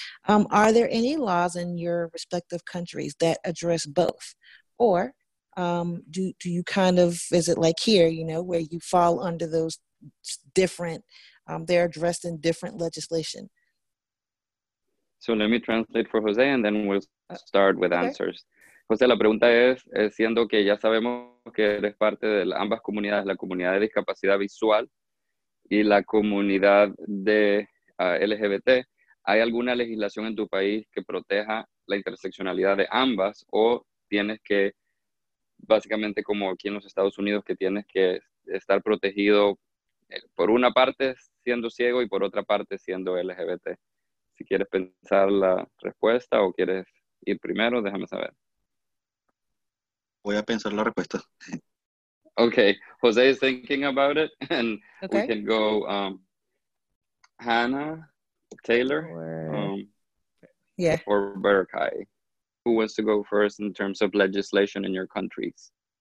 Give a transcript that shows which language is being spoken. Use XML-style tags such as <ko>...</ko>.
<en>Are there any laws in your respective countries that address both? Or do you kind of, is it like here, you know, where you fall under those different, they're addressed in different legislation? So let me translate for Jose and then we'll start with answers.</en> <es>Jose, la pregunta es, siendo que ya sabemos que eres parte de ambas comunidades, la comunidad de discapacidad visual y la comunidad de LGBT, ¿hay alguna legislación en tu país que proteja la interseccionalidad de ambas o tienes que, básicamente como aquí en los Estados Unidos, que tienes que estar protegido por una parte siendo ciego y por otra parte siendo LGBT? Si quieres pensar la respuesta o quieres ir primero, déjame saber. Voy a pensar la respuesta.</es> <en>Okay, Jose is thinking about it, and okay, we can go Hannah, Taylor, or Berkay. Who wants to go first in terms of legislation in your countries?</en>